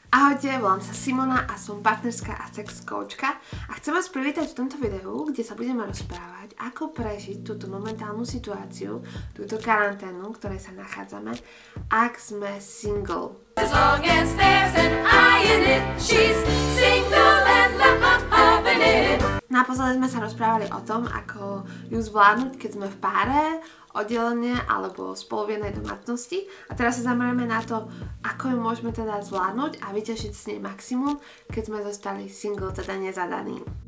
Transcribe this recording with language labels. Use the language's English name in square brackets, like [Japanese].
[Slovak] Ahojte, volám sa Simona a som partnerská a sex coachka a chcem vás privítať v tomto videu, kde sa budeme rozprávať, ako prežiť túto momentálnu situáciu, túto karanténu, v ktorej sa nachádzame, ak sme single. [English] As long as there's an eye in it, she's single and loving it. [Slovak] Naposledy sme sa rozprávali o tom, ako ju zvládnuť, keď sme v páre, oddelenie alebo spolu v jednej domácnosti. A teraz sa zameráme na to, ako ju môžeme teda zvládnuť a vytešiť s nej maximum, keď sme zostali single, teda nezadaný.